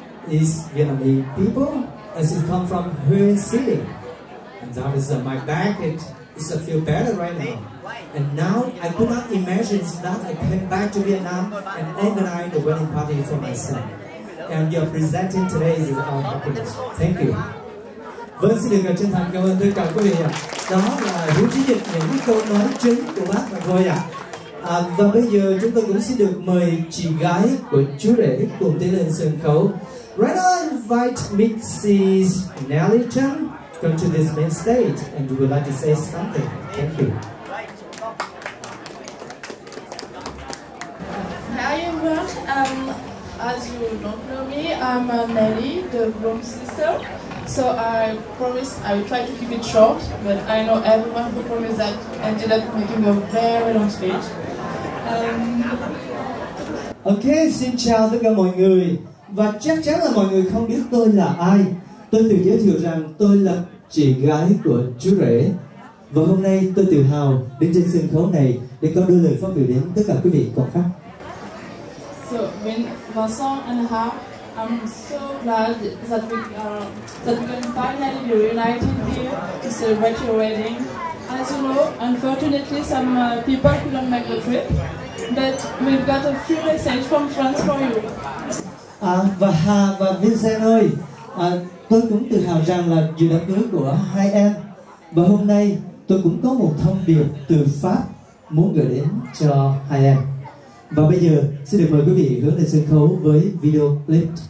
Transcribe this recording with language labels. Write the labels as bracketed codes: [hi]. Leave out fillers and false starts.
[en] Is Vietnamese people, as it come from Hue City. And that is my back, it feel better right now. And now, I could not imagine that I came back to Vietnam and organized a wedding party for my son. And your presenting today is our happiness. Thank you. [vi] Vâng, xin được chân thành cảm ơn tất cả quý vị ạ. Đó là hướng chí dịch những câu nói chính của bác mà thôi ạ. Và bây giờ chúng tôi cũng xin được mời chị gái của chú rể cùng tiến lên sân khấu. [en] Right now, I invite Mrs. Nelly Chan to come to this main stage and we would like to say something. Thank you. Hi everyone. As you don't know me, I'm Nelly, the groom sister. So I promise I will try to keep it short, but I know everyone who promised that ended up making a very long speech. [vi] Okay, xin chào tất cả mọi người. Và chắc chắn là mọi người không biết tôi là ai. Tôi tự giới thiệu rằng tôi là chị gái của chú rể. Và hôm nay tôi tự hào đến trên sân khấu này để có đưa lời phát biểu đến tất cả quý vị còn khác. [en] So, Vincent and I, I'm so glad that we can finally be reunited here to celebrate your wedding. As you know, unfortunately some people couldn't make the trip, but we've got a few messages from France for you. [vi] Và Hà và Vincent ơi, tôi cũng tự hào rằng là dự đám cưới của hai em. Và hôm nay tôi cũng có một thông điệp từ Pháp muốn gửi đến cho hai em. Và bây giờ xin được mời quý vị hướng lên sân khấu với video clip.